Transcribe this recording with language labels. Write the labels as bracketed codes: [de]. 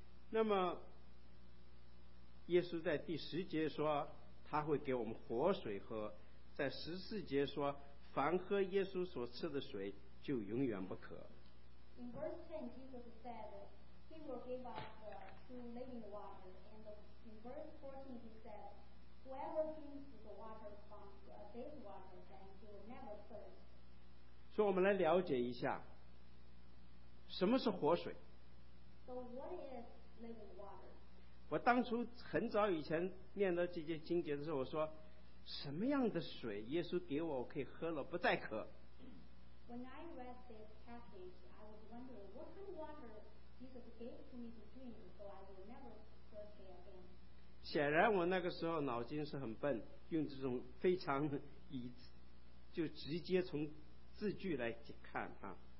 [zh] 那么耶稣在第十节说他会给我们活水喝，在十四节说凡喝耶稣所赐的水就永远不渴。 [en] In verse 10 Jesus said he will give us true living water, and in verse 14 he said whoever drinks the water from this water then he will never thirst. [zh] 所以我们来了解一下什么是活水。 [en] So what is Water. [zh] 我当初很早以前念到这些经节的时候，我说什么样的水耶稣给我，我可以喝了不再渴。 [en] When I read this passage, I was wondering what kind of water Jesus gave to me to drink so I will never thirst again. [zh] 显然我那个时候脑筋是很笨，用这种非常以就直接从字句来看啊。